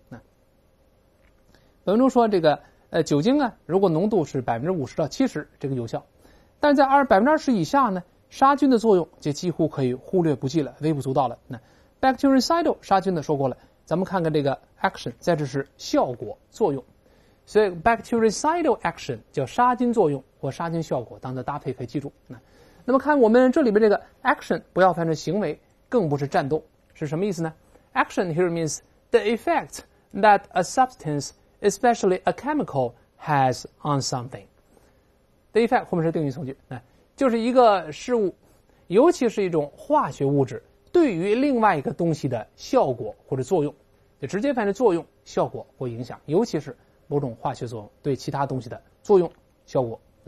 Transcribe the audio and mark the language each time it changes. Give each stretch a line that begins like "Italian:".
Chinese: 那本文中说这个酒精啊，如果浓度是 50%到70% 这个有效，但在20% 以下呢，杀菌的作用就几乎可以忽略不计了，微不足道了。那Bactericidal 杀菌的说过了，咱们看看这个 action， 在这是效果作用，所以 bactericidal action 叫杀菌作用或杀菌效果，当作搭配可以记住。那么看我们这里边这个 action 不要翻成行为，更不是战斗，是什么意思呢？
English: Action here means the effect that a substance especially a chemical has on something。
Chinese: The effect 后面是定语从句，就是一个事物尤其是一种化学物质对于另外一个东西的效果或者作用，就直接翻译作用、效果或影响，尤其是某种化学作用对其他东西的作用、效果。